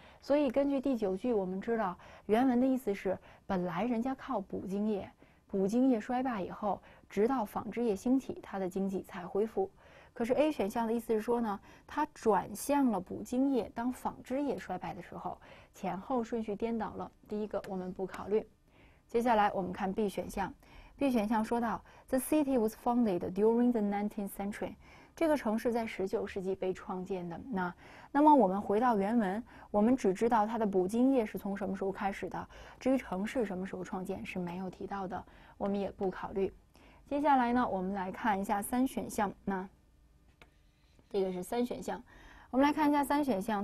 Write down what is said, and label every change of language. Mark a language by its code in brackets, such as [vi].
[zh] 所以根据第九句，我们知道原文的意思是，本来人家靠捕鲸业，捕鲸业衰败以后，直到纺织业兴起，它的经济才恢复。可是 A 选项的意思是说呢，它转向了捕鲸业，当纺织业衰败的时候，前后顺序颠倒了。第一个我们不考虑。接下来我们看 B 选项，B 选项说到， [en] The city was founded during the 19th century。 [zh] 这个城市在19世纪被创建的。那么我们回到原文，我们只知道它的捕鲸业是从什么时候开始的，至于城市什么时候创建是没有提到的，我们也不考虑。接下来呢，我们来看一下三选项。这个是三选项，我们来看一下三选项。